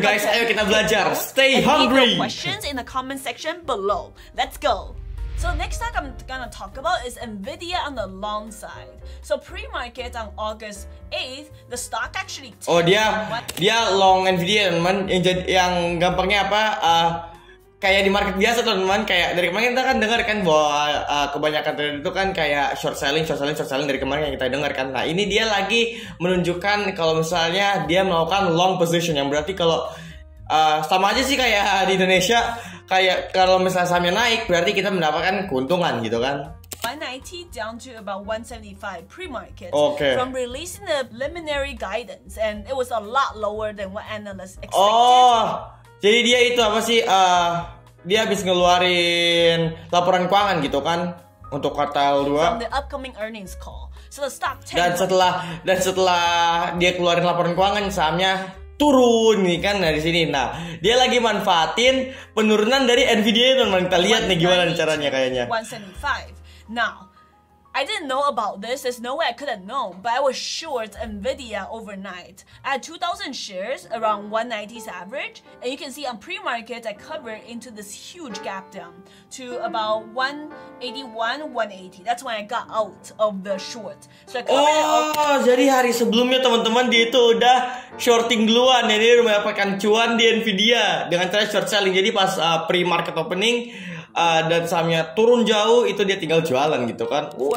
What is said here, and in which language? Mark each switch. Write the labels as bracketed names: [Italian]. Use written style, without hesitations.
[English] like [Indonesian] guys. Ayo kita belajar. [English] Stay hungry. Leave your questions in the comment section below. Let's go. So next stock I'm gonna talk about is NVIDIA on the long side. So pre-market on August 8th, the stock actually. [Indonesian] Dia long NVIDIA teman. Yang gampangnya apa? Kayak di market biasa teman-teman, kayak dari kemarin kita kan dengar kan bahwa kebanyakan trader itu kan kayak short selling dari kemarin yang kita dengar kan. Nah ini dia lagi menunjukkan kalau misalnya dia melakukan long position, yang berarti kalau sama aja sih kayak di Indonesia, kayak kalau misalnya sahamnya naik berarti kita mendapatkan keuntungan gitu kan. [English] 190 down to about 175 pre-market. Okay. From releasing the preliminary guidance, and it was a lot lower than what analysts expected. [Indonesian] Jadi dia itu apa sih, dia habis ngeluarin laporan keuangan gitu kan untuk kuartal 2. [English] From the upcoming earnings call. So the stock tanked. [Indonesian] Dan setelah dia keluarin laporan keuangan, sahamnya turun nih kan dari sini. Nah, dia lagi manfaatin penurunan dari Nvidia itu, teman-teman. Kita lihat nih gimana caranya kayaknya. 175. [English] Now, I didn't know about this. There's no way I could have known, but I was short Nvidia overnight. I had 2,000 shares around 190's average, and you can see on pre-market I covered into this huge gap down to about 181, 180. That's when I got out of the short. So I covered. [Indonesian] Jadi hari sebelumnya teman-teman dia itu udah shorting duluan. Jadi dia mendapatkan cuan di Nvidia dengan cara short selling. Jadi pas pre-market opening. Dan sahamnya turun jauh, itu dia tinggal jualan gitu kan.